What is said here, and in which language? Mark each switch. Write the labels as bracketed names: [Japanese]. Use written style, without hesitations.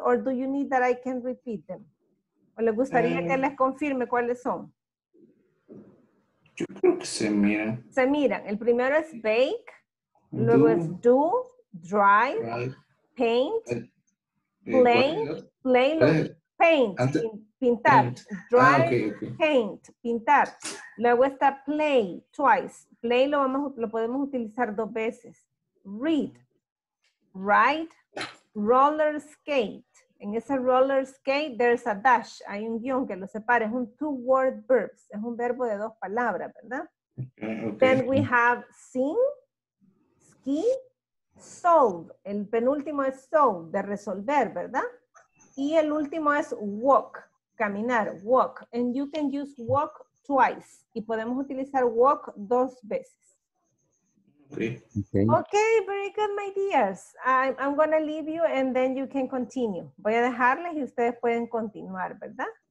[English] Or do you need that I can repeat them? [Spanish] ¿O les gustaría que les confirme cuáles son? Yo creo que se miran. Se miran. El primero es bake, luego es do, drive, paint, play, play, paint, pintar, drive, paint, pintar. Luego está play, twice. Play lo podemos utilizar dos veces. [English] Read, write, roller skate. [Spanish] En ese roller skate, [English] there's a dash. [Spanish] Hay un guión que lo separa. Es un two-word verb. Es un verbo de dos palabras, ¿verdad? [English] Then we have sing, ski, solve. [Spanish] El penúltimo es solve, de resolver, ¿verdad? Y el último es walk, caminar, walk. [English] And you can use walk twice. [Spanish] Y podemos utilizar walk dos veces. [English] Okay, very good, my dears. I'm going to leave you and then you can continue. [Spanish] Voy a dejarles y ustedes pueden continuar, ¿verdad?